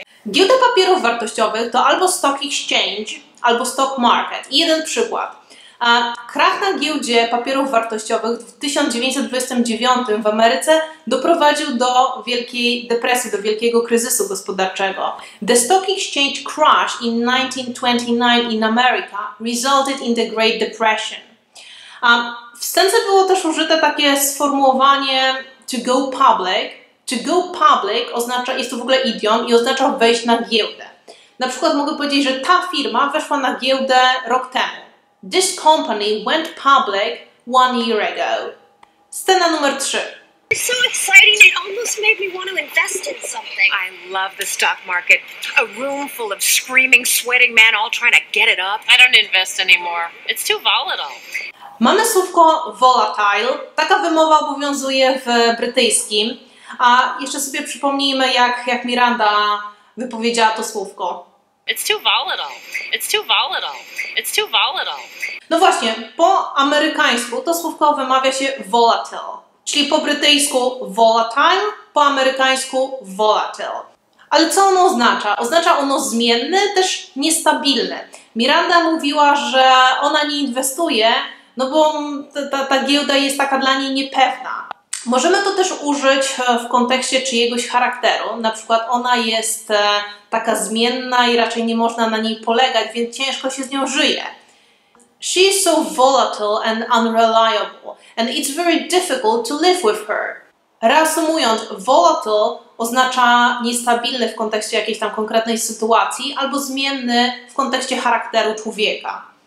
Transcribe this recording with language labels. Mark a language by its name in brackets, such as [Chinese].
[Polish] Giełda papierów wartościowych to albo [English] stock exchange, [Polish] albo [English] stock market. [Polish] I jeden przykład. Krach na giełdzie papierów wartościowych w 1929 w Ameryce doprowadził do wielkiej depresji, do wielkiego kryzysu gospodarczego. [English] The stock exchange crash in 1929 in America resulted in the Great Depression. [Polish] W scence było też użyte takie sformułowanie [English] to go public. To go public [Polish] oznacza, jest to w ogóle idiom i oznacza wejść na giełdę. Na przykład mogę powiedzieć, że ta firma weszła na giełdę rok temu. [English] This company went public 1 year ago. [Polish] Scena numer 3. [English] It's so exciting, it almost made me want to invest in something. I love the stock market. A room full of screaming, sweating men all trying to get it up. I don't invest anymore. It's too volatile. [Polish] Mamy słówko volatile. Taka wymowa obowiązuje w brytyjskim. A jeszcze sobie przypomnijmy, jak Miranda wypowiedziała to słówko. [English] It's too volatile. It's too volatile. It's too volatile. [Polish] No właśnie, po amerykańsku to słówko wymawia się volatile. Czyli po brytyjsku volatile, po amerykańsku volatile. Ale co ono oznacza? Oznacza ono zmienne, też niestabilne. Miranda mówiła, że ona nie inwestuje, no bo ta giełda jest taka dla niej niepewna. Możemy to też użyć w kontekście czyjegoś charakteru. Na przykład ona jest taka zmienna i raczej nie można na niej polegać, więc ciężko się z nią żyje. [English] She is so volatile and unreliable, and it's very difficult to live with her. [Polish] Reasumując, volatile oznacza niestabilny w kontekście jakiejś tam konkretnej sytuacji albo zmienny w kontekście charakteru człowieka.